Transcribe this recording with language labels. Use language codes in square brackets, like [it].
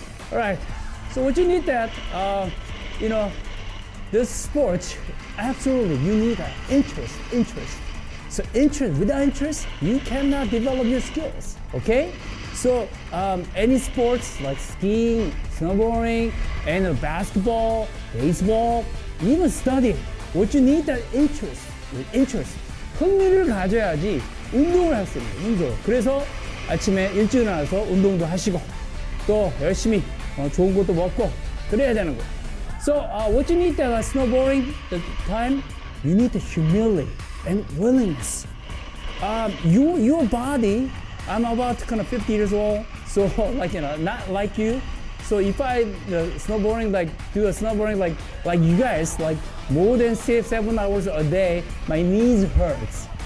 [en] All right, so what you need that, you know, this sport, absolutely, you need that interest. So interest, without interest, you cannot develop your skills, okay? So any sports like skiing, snowboarding, and basketball, baseball, even study, what you need that interest. [ko] 흥미를 가져야지 운동을 할 수 있는 거죠. 그래서 아침에 일찍 일어나서 운동도 하시고 또 열심히 좋은 것도 먹고 그래야 되는 거. [en] So what you need that like snowboarding the time, you need the humility and willingness. Your body, I'm about kind of 50 years old, so like, you know, not like you. So if I do a snowboarding like you guys, like more than 6-7 hours a day, my knees hurts.